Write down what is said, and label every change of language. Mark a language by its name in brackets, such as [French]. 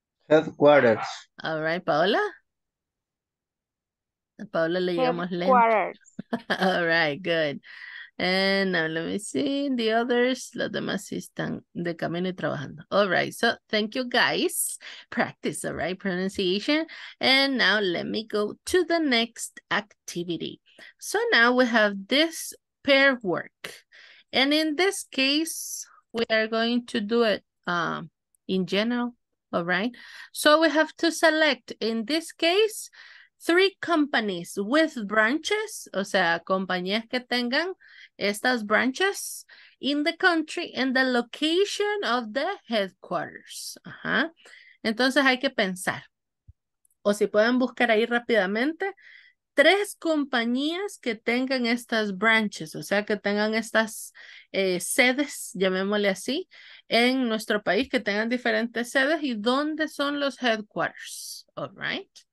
[English] Headquarters. All right, Paola. [Spanish] A Paola le llamamos lento. [English] Headquarters. All right, good. And now let me see the others. [Spanish] Los demás sí están de camino y trabajando. [English] All right. So thank you, guys. Practice, all right, pronunciation. And now let me go to the next activity. So now we have this pair work. And in this case, we are going to do it in general, all right? So we have to select, in this case, three companies with branches, [Spanish] o sea, compañías que tengan estas [English] branches in the country and the location of the headquarters. [Spanish] Uh-huh. Entonces hay que pensar. O si pueden buscar ahí rápidamente, tres compañías que tengan estas branches, o sea, que tengan estas sedes, llamémosle así, en nuestro país, que tengan diferentes sedes y dónde son los headquarters. [English] All right.